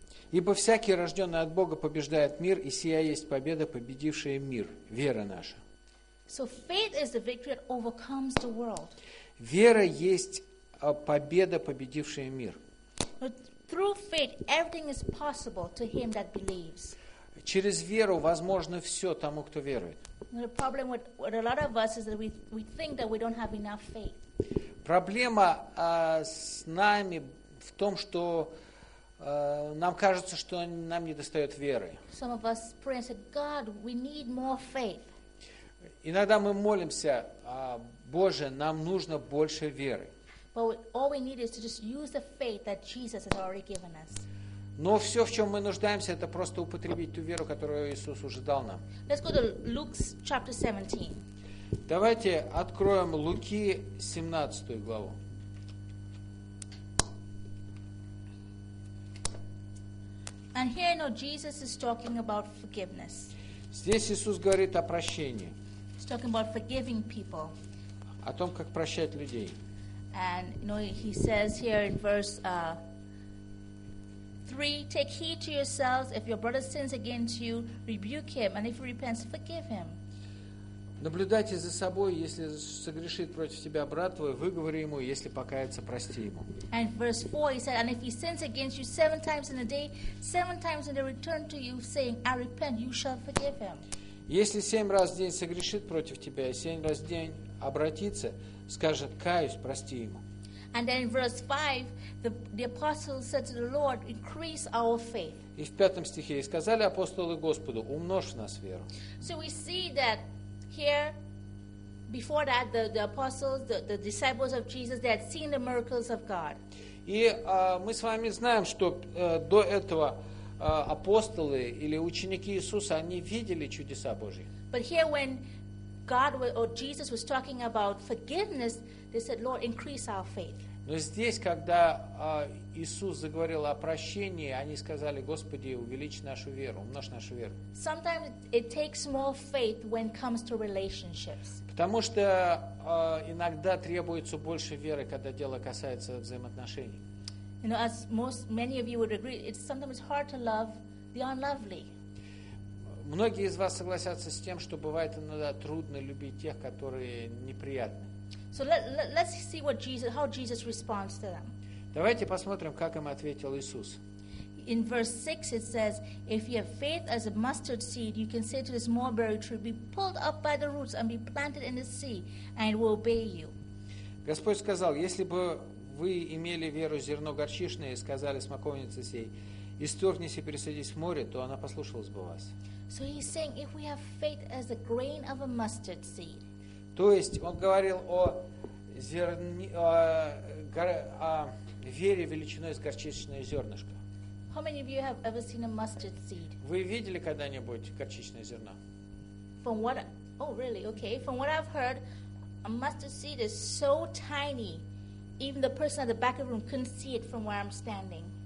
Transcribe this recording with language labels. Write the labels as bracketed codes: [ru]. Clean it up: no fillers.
[ru] Ибо всякий, рожденный от Бога, побеждает мир, и сия есть победа, победившая мир, вера наша. [en] So faith is the victory that overcomes the world. [ru] Вера есть победа, победившая мир. [en] But through faith, everything is possible to him that believes. [ru] Через веру возможно все тому, кто верует. [en] The problem with a lot of us is that we think that we don't have enough faith. [ru] Проблема с нами в том, что нам кажется, что нам недостает веры. [en] Some of us pray and say, God, we need more faith. [ru] Иногда мы молимся, Боже, нам нужно больше веры. [en] But all we need is to just use the faith that Jesus has already given us. [ru] Но все, в чем мы нуждаемся, это просто употребить ту веру, которую Иисус уже дал нам. [en] Let's go to Luke chapter 17. [ru] Давайте откроем Луки 17 главу. [en] And here, no, Jesus is talking about forgiveness. [ru] Здесь Иисус говорит о прощении. [en] He's talking about forgiving people. [ru] О том, как прощать людей. [en] And you know, he says here in verse 3, take heed to yourselves. If your brother sins against you, rebuke him. And if he repents, forgive him. [ru] Наблюдайте за собой, если согрешит против тебя брат твой, выговори ему, если покается, прости ему. [en] And verse 4, he said, and if he sins against you seven times in a day, seven times in a day return to you, saying, I repent, you shall forgive him. [ru] Если семь раз в день согрешит против тебя, и семь раз в день обратится, скажет, каюсь, прости ему. [en] And then in verse 5, the apostles said to the Lord, increase our faith. [ru] И в пятом стихе, и сказали апостолы Господу, умножь в нас веру. [en] So we see that here, before that, the apostles, the disciples of Jesus, they had seen the miracles of God. [ru] И мы с вами знаем, что до этого апостолы или ученики Иисуса, они видели чудеса Божьи. [en] But here, when God or Jesus was talking about forgiveness, they said, "Lord, increase our faith." [ru] Но здесь, когда Иисус заговорил о прощении, они сказали, Господи, увеличь нашу веру, умножь нашу веру. [en] Sometimes it takes more faith when it comes to relationships. [ru] Потому что иногда требуется больше веры, когда дело касается взаимоотношений. [en] You know, as many of you would agree, it's sometimes hard to love the unlovely. [ru] Многие из вас согласятся с тем, что бывает иногда трудно любить тех, которые неприятны. [en] So let's see what Jesus, how Jesus responds to them. [ru] Давайте посмотрим, как им ответил Иисус. [en] In verse 6 it says, if you have faith as a mustard seed, you can say to this mulberry tree, be pulled up by the roots and be planted in the sea, and it will obey you. [ru] Господь сказал, если бы вы имели веру зерно горчичное и сказали смоковнице сей, исторгнись и пересадись в море, то она послушалась бы вас. [en] So he's saying, if we have faith as a grain of a mustard seed, [ru] то есть он говорил о зерне, о вере величиной с горчичное зернышко. [en] How many of you have ever seen a mustard seed? [ru] Вы видели когда-нибудь горчичное зерно? [en] From what? Oh, really? Okay. From what I've heard, a mustard seed is so tiny, even the person at the back of the room couldn't see it from where I'm standing.